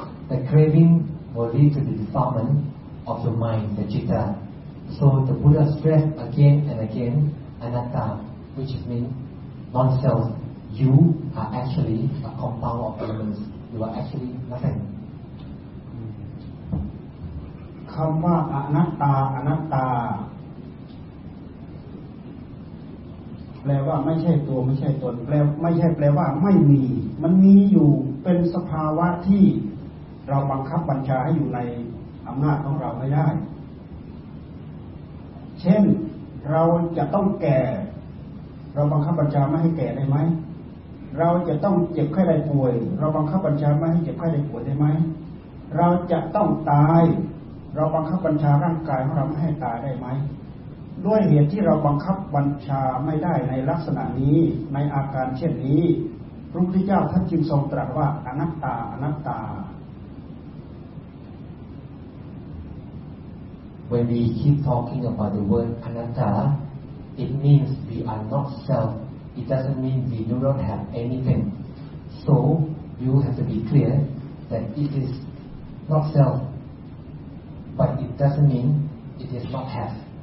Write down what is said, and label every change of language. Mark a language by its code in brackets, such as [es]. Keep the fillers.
[en] The craving will lead to the defilement of your mind, the citta. So the Buddha stressed again and again anatta, which is mean non-self. You are actually a compound of elements. You are actually nothing. [th] คำว่าอนัตตาอนัตตา แปลว่าไม่ใช่ตัวไม่ใช่ตนแปลไม่ใช่แปลว่าไม่มี มันมีอยู่เป็นสภาวะที่เราบังคับบัญชาให้อยู่ในอำนาจของเราไม่ได้ เช่นเราจะต้องแก่ เราบังคับบัญชาไม่ให้แก่ได้ไหม เราจะต้องเจ็บไข้ได้ป่วย เราบังคับบัญชาไม่ให้เจ็บไข้ได้ป่วยได้ไหม เราจะต้องตาย เราบังคับบัญชาร่างกายของเราไม่ให้ตายได้ไหม ด้วยเหตุที่เราบังคับบัญชาไม่ได้ในลักษณะนี้ในอาการเช่นนี้พระพุทธเจ้าท่านจึงทรงตรัสว่าอนัตตาอนัตตา [en] When we keep talking about the word anatta, it means we are not self. It doesn't mean we do not have anything. So you have to be clear that it is not self, but it doesn't mean it is not have.